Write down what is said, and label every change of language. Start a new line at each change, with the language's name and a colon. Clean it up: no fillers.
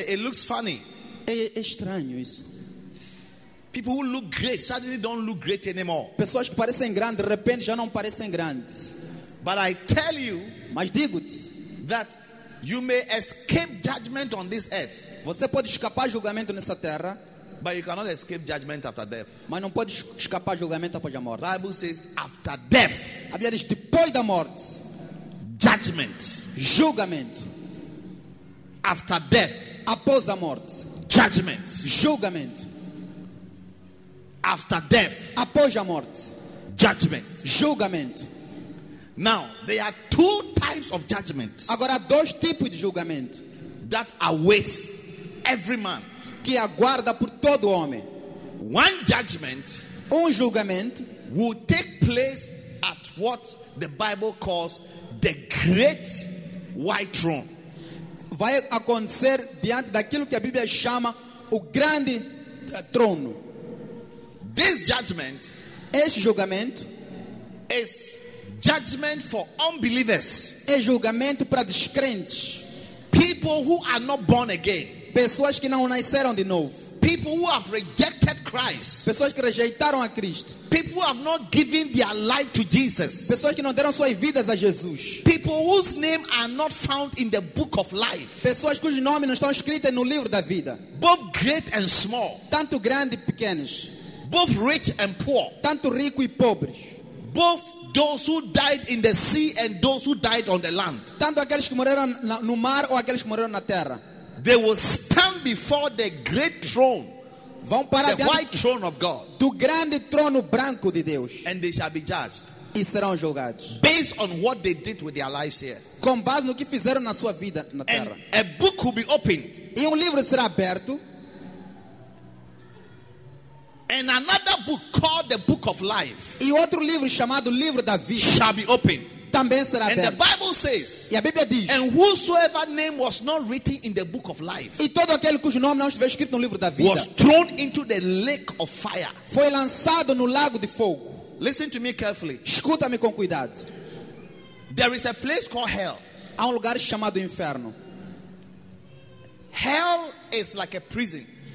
English: It looks funny.
Portuguese: É estranho isso.
English: People who look great suddenly don't look great anymore.
Portuguese: Pessoas que parecem grandes de repente já não parecem grandes.
English: But I tell you,
Portuguese: mas digo-te,
English: that you may escape judgment on this earth.
Portuguese: Você pode escapar julgamento nesta terra.
English: But you cannot escape judgment after death.
Portuguese: Mas não pode escapar julgamento após a morte.
English: The Bible says after death.
Portuguese: A Bíblia diz depois da morte.
English: Judgment.
Portuguese: Julgamento.
English: After death.
Portuguese: Após a morte.
English: Judgment.
Portuguese: Julgamento.
English: After death.
Portuguese: Após a morte.
English: Judgment.
Portuguese: Julgamento.
English: Now, there are two types of judgment.
Portuguese: Agora há dois tipos de julgamento.
English: That awaits every man.
Portuguese: Que aguarda por todo homem.
English: One judgment.
Portuguese: Julgamento.
English: Will take place at what the Bible calls the great white throne.
Portuguese: Vai acontecer diante daquilo que a Bíblia chama o grande trono.
English: This judgment,
Portuguese: este julgamento,
English: is judgment for unbelievers.
Portuguese: É julgamento para descrentes.
English: People who are not born again.
Portuguese: Pessoas que não nasceram de novo.
English: People who have rejected Christ.
Portuguese: Pessoas que rejeitaram a Cristo.
English: People who have not given their life to Jesus.
Portuguese: Pessoas que não deram suas vidas a Jesus.
English: People whose names are not found in the book of life.
Portuguese: Pessoas cujos nomes não estão escritos no livro da vida.
English: Both great and small.
Portuguese: Tanto grandes e pequenos.
English: Both rich and poor.
Portuguese: Tanto rico e pobre.
English: Both those who died in the sea and those who died on the land.
Portuguese: Tanto aqueles que morreram no mar ou aqueles que morreram na terra.
English: They will stand before the great throne.
Portuguese: Vão parar
English: the white throne of God.
Portuguese: Do grande trono branco de Deus.
English: And they shall be judged.
Portuguese: E serão julgados.
English: Based on what they did with their lives here.
Portuguese: Com base no que fizeram na sua vida na terra.
English: And a book will be opened.
Portuguese: E livro será aberto.
English: And another book called the book of life.
Portuguese: E outro livro chamado livro da vida.
English: Shall be opened.
Portuguese: Também será
English: and
Portuguese: aberto.
English: The Bible says,
Portuguese: e a Bíblia diz,
English: and whosoever name was not written in the book of life,
Portuguese: e todo aquele cujo nome não estiver escrito no livro da vida,
English: was thrown into the lake of fire.
Portuguese: Foi lançado no lago de fogo.
English: Listen to me carefully.
Portuguese: Escuta-me com cuidado.
English: There is a place called hell.
Portuguese: Há lugar chamado inferno.
English: Hell is like a prison.